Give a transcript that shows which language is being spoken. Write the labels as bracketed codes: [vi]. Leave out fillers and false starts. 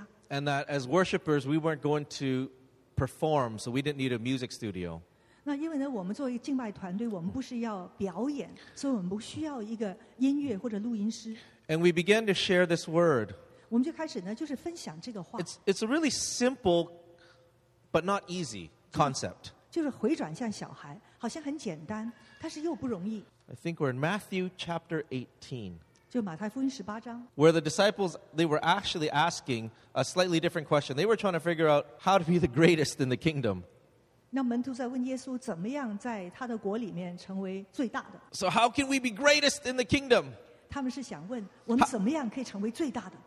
[en] And that as worshipers, we weren't going to perform, so we didn't need a music studio. And we began to share this word. It's a really simple but not easy concept. [zh] 就是回转向小孩，好像很简单，但是又不容易。 [en] I think we're in Matthew chapter 18. [zh] 就马太福音18章。 [en] Where the disciples, they were actually asking a slightly different question. They were trying to figure out how to be the greatest in the kingdom. [zh] 那门徒在问耶稣怎么样在他的国里面成为最大的。 [en] So how can we be greatest in the kingdom? [zh] 他们是想问我们怎么样可以成为最大的。